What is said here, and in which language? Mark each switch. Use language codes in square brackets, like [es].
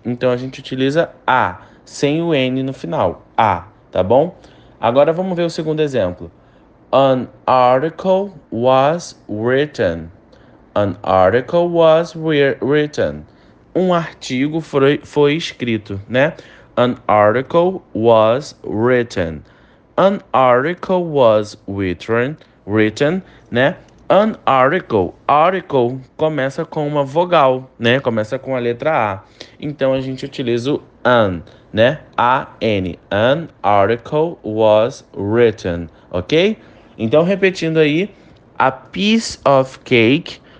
[pt] Então a gente utiliza A. Sem o N no final, a, tá bom? Agora vamos ver o segundo exemplo. [en] An article was written. An article was written. [pt] Um artigo foi escrito, né? [en] An article was written. An article was written, né? An article. [pt] Article começa com uma vogal, né? Começa com a letra A. Então a gente utiliza o an. [en] Né? A-N. An article was written. Ok? [pt] Então, repetindo aí. [en] A piece of cake.